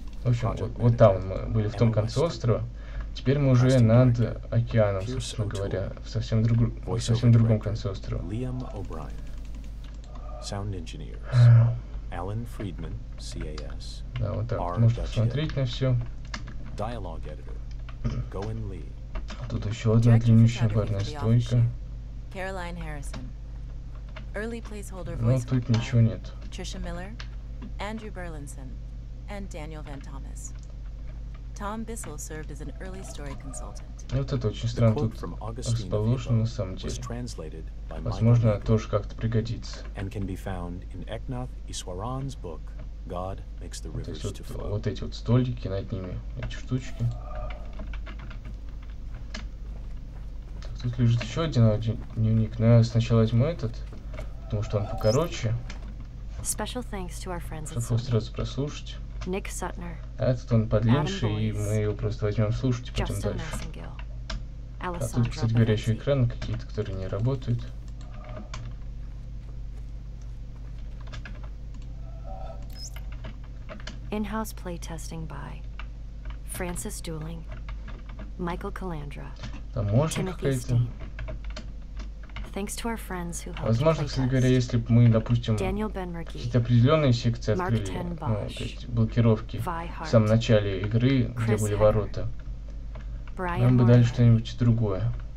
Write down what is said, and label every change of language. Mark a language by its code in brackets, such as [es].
[ru] В общем, вот там мы были, в том конце острова. Теперь мы уже над океаном, собственно говоря, в совсем другом конце острова. Лиам О'Брайен, саунд инженер. Алан Фридман, CAS. Да, вот так. Можно посмотреть на все. Диалог эдитор, Гоэн Ли. Тут еще одна длиннющая барная стойка. [en] Caroline Harrison. Early placeholder voice. [ru] Но тут ничего нет. Trisha Miller, Andrew Berlinson, and Daniel Van Thomas. [en] Tom Bissell served as an early story consultant. [ru] Вот это очень странно, тут расположено на самом деле. Возможно, тоже как-то пригодится. [en] And can be found in Eknath Iswaran's book God Makes the Rivers to Flow. [ru] Вот эти вот столики над ними, эти штучки. Тут лежит еще один дневник, но я сначала возьму этот, потому что он покороче. [en] Special thanks to our friends. [ru] Чтобы сразу прослушать. [en] Nick Sutner. [ru] А этот он подлиннее, и мы его просто возьмем слушать и пойдем дальше. А тут, кстати говоря, еще экраны какие-то, которые не работают. [en] In-house playtesting by Francis Dooling, Michael Calandra. [ru] Там можно какая-то. [en] Thanks to our friends who helped. [ru] Возможно, кстати говоря, если бы мы, допустим, какие-то определенные секции открыли, ну, то есть блокировки в самом начале игры, где были ворота, нам бы дали что-нибудь другое.